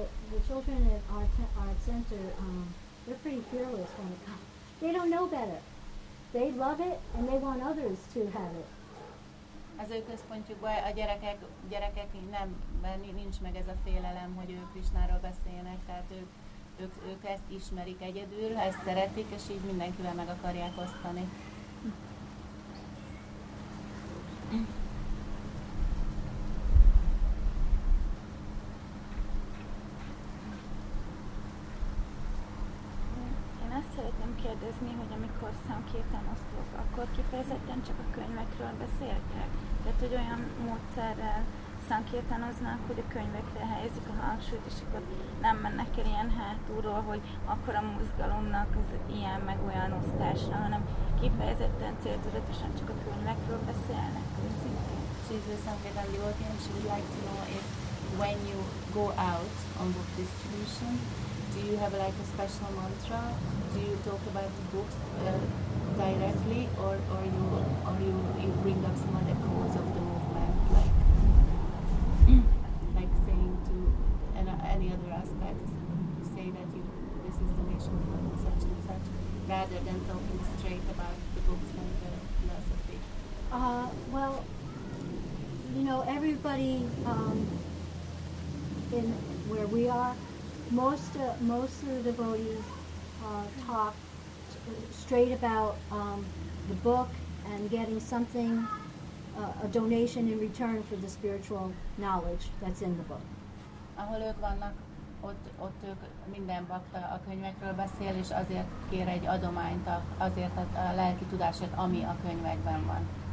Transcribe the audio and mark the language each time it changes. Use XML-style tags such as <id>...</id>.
<en>The children at our center, they're pretty fearless when it comes. They don't know better. They love it and they want others to have it.</en> <hu>Az ő központjukban a gyerekek nem, mert nincs meg ez a félelem, hogy ők Krisnáról beszéljenek, tehát ők ezt ismerik egyedül, ezt szeretik, és így mindenkivel meg akarják osztani. Kérdezni, hogy amikor Sankirtan osztok, akkor kifejezetten csak a könyvekről beszéltek? Tehát, hogy olyan módszerrel Sankirtanoznak, hogy a könyvekre helyezik a hangsúlyt, és akkor nem mennek el ilyen hátulról, hogy akkor a mozgalomnak az ilyen meg olyan osztásra, hanem kifejezetten céltudatosan csak a könyvekről beszélnek őszintén.</hu> <en>So, Sankirtan, the audience would like to know if when you go out on book distribution, do you have like a special mantra? Do you talk about the books directly, or you bring up some other quotes of the movement, like saying to any other aspects, say that this is the mission for such and such, rather than talking straight about the books and the philosophy? Well, you know, everybody in where we are, most of the devotees talk straight about the book and getting something, a donation in return for the spiritual knowledge that's in the book.</en> <hu>Ahol ők vannak, ott ők minden bakta a könyvekről beszél, és azért kér egy adományt, azért a lelki tudásért, ami a könyvekben van.</hu>